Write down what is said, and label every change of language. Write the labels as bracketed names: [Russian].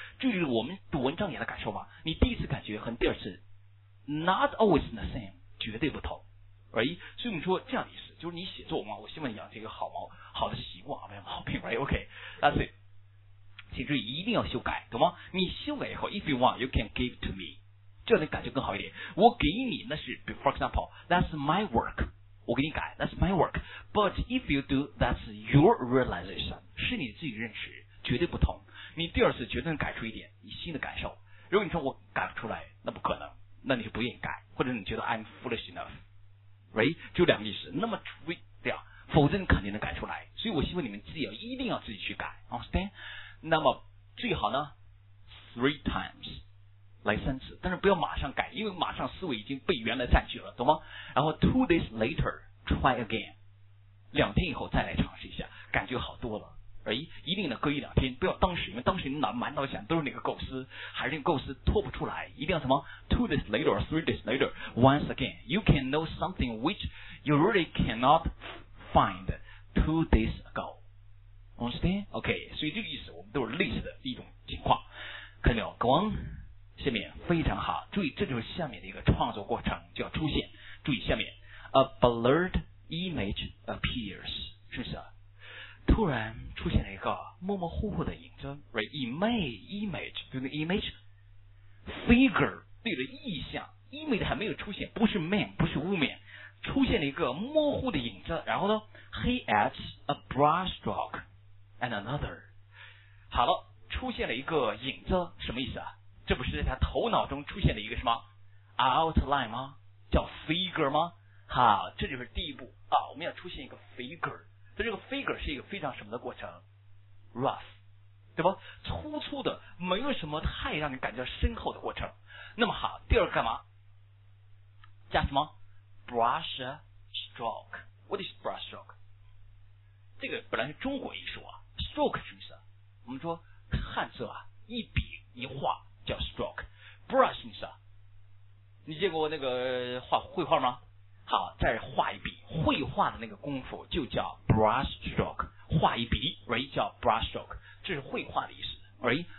[Chinese] 这就是我们读文章也的感受嘛。你第一次感觉和第二次 [English] not always the same， [Chinese] 绝对不同。 [English] Right? [Chinese] 所以我们说这样的意思，就是你写作嘛，我希望你养成一个好的习惯，没有毛病。 [English] Right? OK， that's it。 [Chinese] 请注意一定要修改，懂吗？你修改以后 [English] if you want you can give to me， [Chinese] 这样的感觉更好一点。我给你那是 [English] for example that's my work， [Chinese] 我给你改 [English] that's my work， but if you do that's your realization， [Chinese] 是你自己认识，绝对不同。你第二次绝对能改出一点你新的感受。如果你说我改不出来，那不可能，那你就不愿意改，或者你觉得 [English] I'm foolish enough， [Chinese] right？ 就两个意思。那么除非这样，否则你肯定能改出来。所以我希望你们自己要一定要自己去改， [English] understand？ [Chinese] 那么最好呢 [English] three times， [Chinese] 来三次，但是不要马上改，因为马上思维已经被原来占据了，懂吗？然后 [English] two days later try again， [Chinese] 两天以后再来尝试一下，感觉好多了。哎，一定呢，隔一两天，不要当时，因为当时你满脑想都是那个构思，还是那个构思拖不出来，一定要什么 [English] two days later, three days later, once again, you can know something which you really cannot find two days ago. Understand? [Chinese] OK, 所以这个意思我们都是类似的一种情况。看到没有？国王，下面非常好，注意这就是下面的一个创作过程就要出现。注意下面 [English] ，a blurred image appears， [Chinese] 是不是？突然出现了一个模模糊糊的影子 ， [English] right? [Chinese] Image， 就那 image， figure， 对的，意象 ，image 还没有出现，不是 man， 不是 woman， 出现了一个模糊的影子，然后呢 ， [English] he adds a brush stroke and another， [Chinese] 好了，出现了一个影子，什么意思啊？这不是在他头脑中出现的一个什么 outline 吗？叫 figure 吗？好，这就是第一步啊，我们要出现一个 figure， 所以这个 figure 是一个非常什么的过程 rough， 对吧？粗粗的，没有什么太让你感觉深厚的过程。那么好，第二个干嘛？加什么 brush stroke？ [English] What is brush stroke？ [Chinese] 这个本来是中国艺术啊， stroke 什么意思？我们说汉字啊，一笔一画。叫 stroke， brush 你知道？你见过那个画绘画吗？好，再画一笔，绘画的那个功夫就叫 brush stroke， 画一笔 ，right 叫 brush stroke， 这是绘画的意思 ，right。